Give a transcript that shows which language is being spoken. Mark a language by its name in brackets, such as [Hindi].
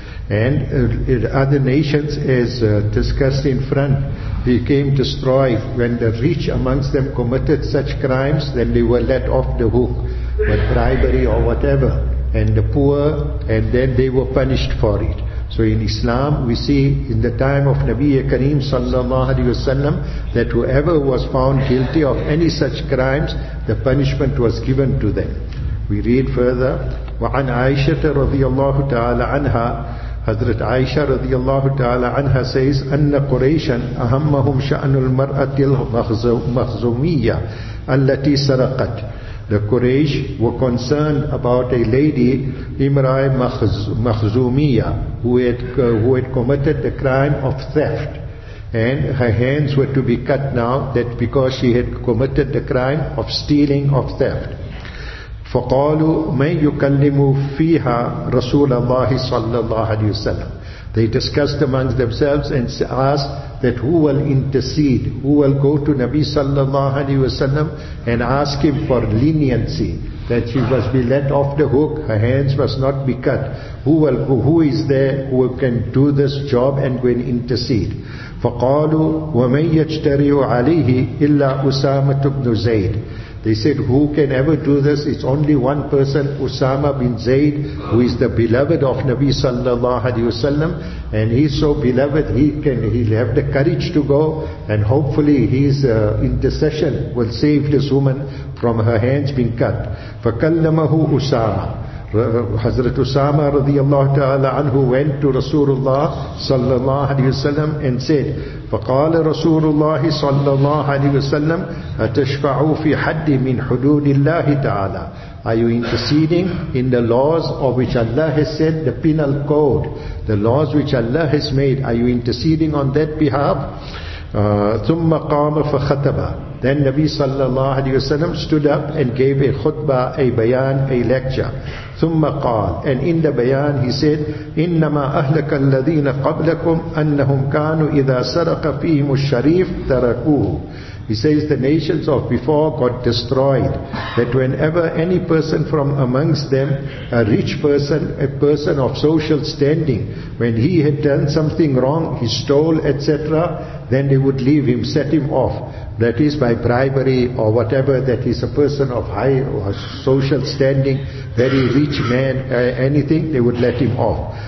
[English] And other nations, as discussed in front, became destroyed when the rich amongst them committed such crimes, then they were let off the hook with bribery or whatever, and the poor, and then they were punished for it. So in Islam, we see in the time of Nabi Kareem sallallahu alaihi wasallam that whoever was found guilty of any such crimes, the punishment was given to them. [Arabic] We read further, وَعَنْ عَيْشَةَ رَضِيَ اللَّهُ تَعَالَ عَنْهَا. [English] Hazrat Aisha radiyallahu ta'ala anha says, [Arabic] أن قريشا أهمهم شأن المرأة المخزومية التي سرقت. [English] The Quraysh were concerned about a lady, Imra'i Makhzumiya, who had committed the crime of theft. And her hands were to be cut now, that because she had committed the crime of stealing, of theft. [Arabic] فقالوا من يكلم فيها رسول الله صلى الله عليه وسلم. [English] They discussed amongst themselves and asked that who will intercede, who will go to Nabi sallallahu alaihi wasallam and ask him for leniency, that she must be let off the hook, her hands must not be cut. Who is there who can do this job and go and intercede? [Arabic] فقالوا ومن يجتري عليه إلا أسامة بن زيد. [English] They said, who can ever do this? It's only one person, Usama bin Zayd, who is the beloved of Nabi sallallahu alayhi wa sallam. And he's so beloved, he'll have the courage to go. And hopefully his intercession will save this woman from her hands being cut. [Arabic] فَكَلَّمَهُ [English] Usama. Hazrat Usama radiallahu ta'ala anhu went to Rasulullah sallallahu alayhi wa sallam and said, [Arabic] فَقَالَ رَسُولُ اللَّهِ صَلَّى اللَّهُ عَلَيْهِ وَسَلَّمْ أَتَشْفَعُوا فِي حَدِّ مِنْ حُدُودِ اللَّهِ تَعَالَى. [English] Are you interceding in the laws of which Allah has said, the penal code, the laws which Allah has made, are you interceding on that behalf? [Arabic] ثُمَّ قَامَ فَخَتَبَ. [English] Then Nabi sallallahu alayhi wa sallam stood up and gave a khutbah, a bayan, a lecture. [Arabic] ثُمَّ قَالَ. [English] And in the bayan he said, [Arabic] إِنَّمَا أَهْلَكَ الَّذِينَ قَبْلَكُمْ أَنَّهُمْ كَانُوا إِذَا سَرَقَ فِيهِمُ الشَّرِيفُ تَرَكُوهُ. [English] He says, the nations of before got destroyed, that whenever any person from amongst them, a rich person, a person of social standing, when he had done something wrong, he stole, etc., then they would leave him, set him off. That is by bribery or whatever, that he's a person of high or social standing, very rich man, anything, they would let him off.